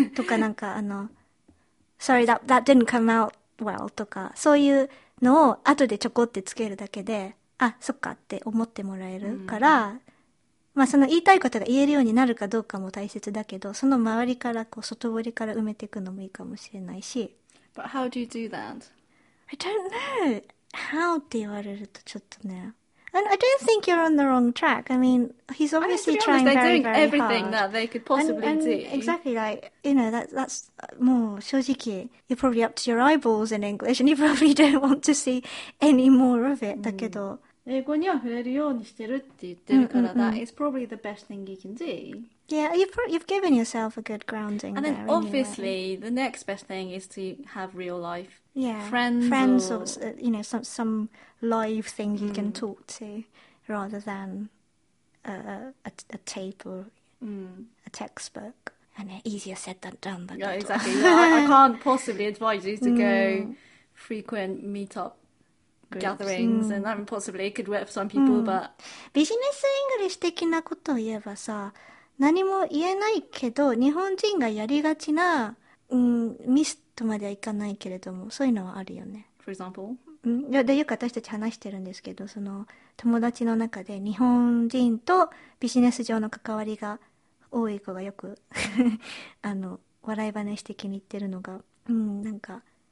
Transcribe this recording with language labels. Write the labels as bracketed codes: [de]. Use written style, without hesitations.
[ja] うん、とかなんかあの、 [en] Sorry, that didn't come out well [ja] とか、そういうのを後でちょこってつけるだけで、あ、そっかって思ってもらえるから、うんまあその言いたいことが言えるようになるかどうかも大切だけど、その周りからこう外堀から埋めていくのもいいかもしれないし。 [en] But how do you do that? I don't know. [ja] How って言われるとちょっとね。 [en] And I don't think you're on the wrong track. I mean, he's obviously trying very, very hard. They're doing everything that they could possibly do. Exactly, like, you know, that's more [ja] 正直 [en] you're probably up to your eyeballs in English, and you probably don't want to see any more of it. [ja] だけど。英語には触れるようにしてるって言ってるから、うんうんうん、 [en] That is probably the best thing you can do. Yeah, you've given yourself a good grounding And then there, obviously, anyway. The next best thing is to have real life friends or you know, some live thing you can talk to rather than a tape or a textbook. And easier said than done. Yeah, exactly. I can't possibly advise you to go frequent meetup. Gatherings and that possibly could work for some people, but [ja] ビジネスイングリッシュ的なことを言えばさ、何も言えないけど日本人がやりがちな、ミスとまではいかないけれども、そういうのはあるよね。 [en] For example, [ja] でよく私たち話してるんですけど、その友達の中で日本人とビジネス上の関わりが多い子がよくあの笑い話的に言ってるのが、なんか。